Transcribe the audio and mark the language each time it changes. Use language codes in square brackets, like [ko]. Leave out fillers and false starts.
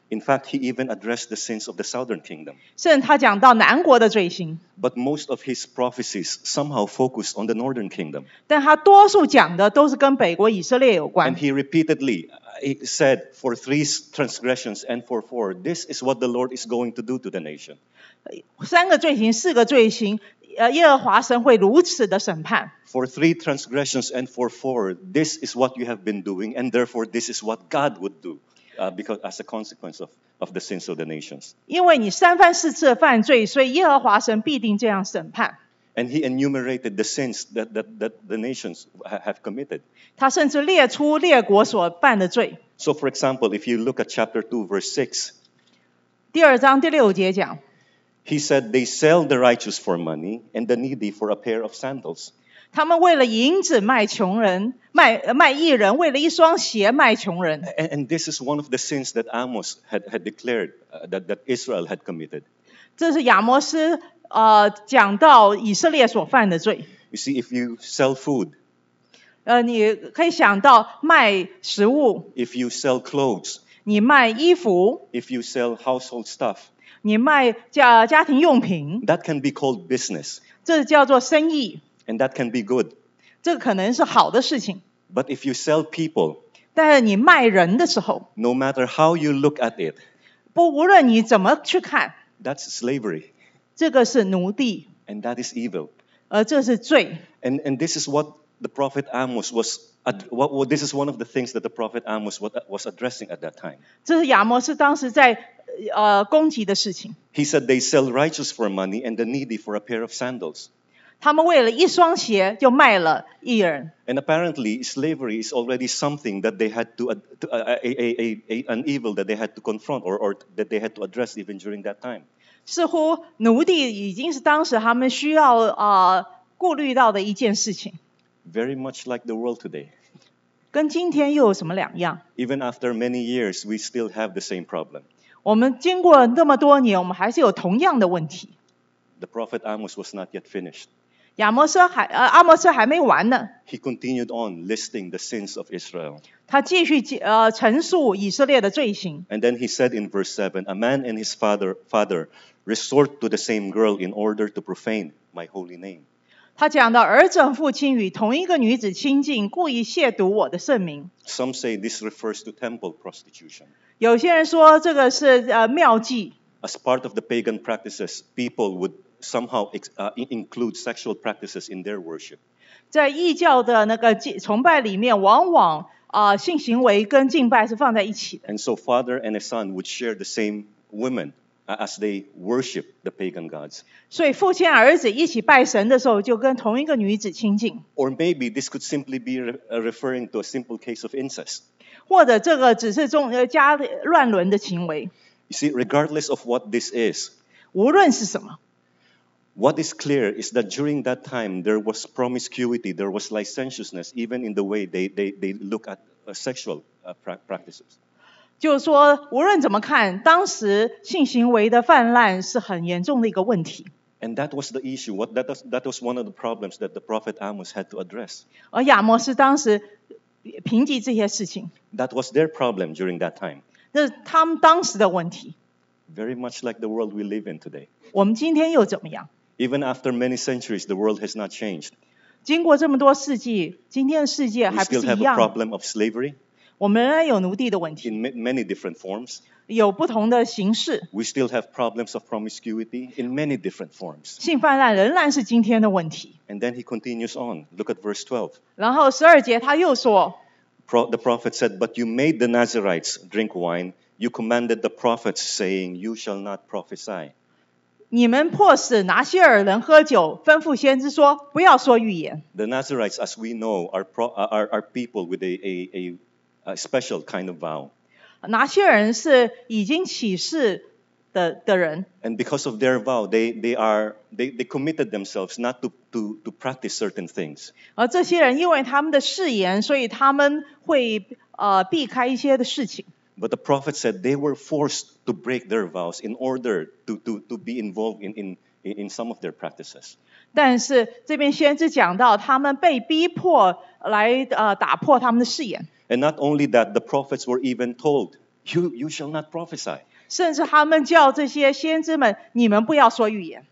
[en] In fact, he even addressed the sins of the southern kingdom. [zh] 甚至他讲到南国的罪行。 [en] But most of his prophecies somehow focused on the northern kingdom. [zh] 但他多数讲的都是跟北国以色列有关。 [en] And he repeatedly said, for three transgressions and for four, this is what the Lord is going to do to the nation. [zh] 三个罪行，四个罪行，耶和华神会如此的审判。 [en] For three transgressions and for four, this is what you have been doing, and therefore this is what God would do. Because as a consequence of the sins of the nations. [zh] 因为你三番四次犯罪，所以耶和华神必定这样审判。 [en] And he enumerated the sins that the nations have committed. [zh] 他甚至列出列国所犯的罪。 [en] So for example, if you look at chapter 2, verse 6. [zh] 第二章第六节讲。 [en] He said, they sell the righteous for money and the needy for a pair of sandals. [zh] 他们为了银子卖穷人。卖义人，为了一双鞋卖穷人。 [en] And this is one of the sins that Amos had declared that Israel had committed. [zh] 这是亚摩斯讲到以色列所犯的罪。 [en] You see, if you sell food, [zh] 你可以想到卖食物。 [en] If you sell clothes, [zh] 你卖衣服。 [en] If you sell household stuff, [zh] 你卖家庭用品。 [en] That can be called business. [zh] 这叫做生意。 [en] And that can be good. [zh] 这可能是好的事情。 [en] But if you sell people, [zh] 但你卖人的时候 [en] ，No matter how you look at it, [zh] 不无论你怎么去看 [en] ，That's slavery. [zh] 这个是奴隶。 [en] And that is evil. [zh] 这是罪。 [en] And this is what the prophet Amos was. This is one of the things that the prophet Amos was addressing at that time. [zh] 这是亚摩斯当时在攻击的事情。 [en] He said they sell righteous for money and the needy for a pair of sandals. [zh] 他们为了一双鞋就卖了义人。 [en] And apparently, slavery is already something that they had to an evil that they had to confront or that they had to address even during that time. [zh] 似乎奴隶已经是当时他们需要顾虑到的一件事情。 [en] Very much like the world today. [zh] 跟今天又有什么两样？ [en] Even after many years, we still have the same problem. [zh] 我们经过那么多年，我们还是有同样的问题。 [en] The prophet Amos was not yet finished. [zh] 亚摩斯还阿摩斯还没完呢。 [en] He continued on listing the sins of Israel. [zh] 他继续陈述以色列的罪行。 [en] And then he said in verse 7, a man and his father resort to the same girl in order to profane my holy name. [zh] 他讲到儿子和父亲与同一个女子亲近，故意亵渎我的圣名。 [en] Some say this refers to temple prostitution. [zh] 有些人说这个是庙妓。 [en] As part of the pagan practices, people would somehow include sexual practices in their worship. [zh] 在异教的那个崇拜里面，往往性行为跟敬拜是放在一起的。 [en] And so father and a son would share the same women. As they worship the pagan gods. [zh] 所以父亲儿子一起拜神的时候就跟同一个女子亲近。 [en] Or maybe this could simply be referring to a simple case of incest. [zh] 或者这个只是中家乱伦的行为。 [en] You see, regardless of what this is, [zh] 无论是什么。 [en] What is clear is that during that time, there was promiscuity, there was licentiousness, even in the way they look at sexual practices. [zh] 就是说，无论怎么看，当时性行为的泛滥是很严重的一个问题。 [en] And that was the issue. That was one of the problems that the prophet Amos had to address. [zh] 而亚摩斯当时评级这些事情。 [en] That was their problem during that time. [zh] 那是他们当时的问题。 [en] Very much like the world we live in today. [zh] 我们今天又怎么样 [en] ？Even after many centuries, the world has not changed. [zh] 经过这么多世纪，今天的世界还不是一样。 [en] We still have a problem of slavery. [zh] 我们仍然有奴隶的问题。 [en] In many different forms. [zh] 有不同的形式。 [en] We still have problems of promiscuity in many different forms. [zh] 性泛滥仍然是今天的问题。 [en] And then he continues on. Look at verse 12. [zh] 然后十二节他又说。 [en] The prophet said, but you made the Nazarites drink wine. You commanded the prophets saying, you shall not prophesy. [zh] 你们迫使拿西尔人喝酒，吩咐先知说，不要说预言。 [en] The Nazarites, as we know, are people with a special kind of vow. [zh] 拿西尔人是已经起誓 的人。 [en] And because of their vow, they committed themselves not to practice certain things. [zh] 而这些人因为他们的誓言，所以他们会避开一些的事情。 [en] But the prophet said they were forced to break their vows in order to be involved in some of their practices. [zh] 但是这边先知讲到他们被逼迫来打破他们的誓言。 [en] And not only that, the prophets were even told, you shall not prophesy. [zh] 甚至他们叫这些先知们，你们不要说预言。